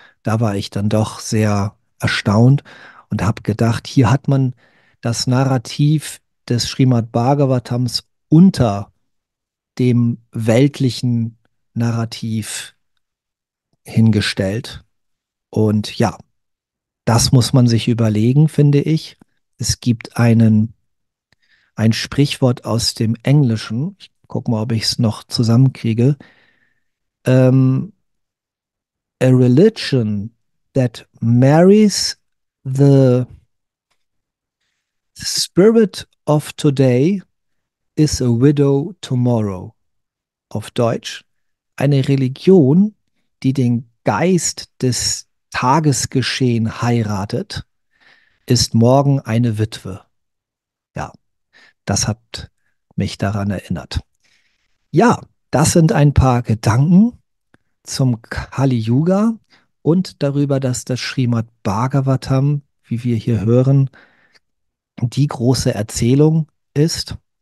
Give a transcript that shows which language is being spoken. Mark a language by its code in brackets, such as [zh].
[de] Da war ich dann doch sehr erstaunt und habe gedacht, hier hat man das Narrativ des Srimad Bhagavatams unter dem weltlichen Narrativ hingestellt. Und ja, das muss man sich überlegen, finde ich. Es gibt ein Sprichwort aus dem Englischen. Ich gucke mal, ob ich es noch zusammenkriege. [en] A religion that marries the spirit of today is a widow tomorrow. [de] Auf Deutsch, eine Religion, die den Geist des Tagesgeschehen heiratet, ist morgen eine Witwe. Ja, das hat mich daran erinnert. Ja, das sind ein paar Gedanken zum Kali Yuga und darüber, dass das Srimad Bhagavatam, wie wir hier hören, die große Erzählung ist.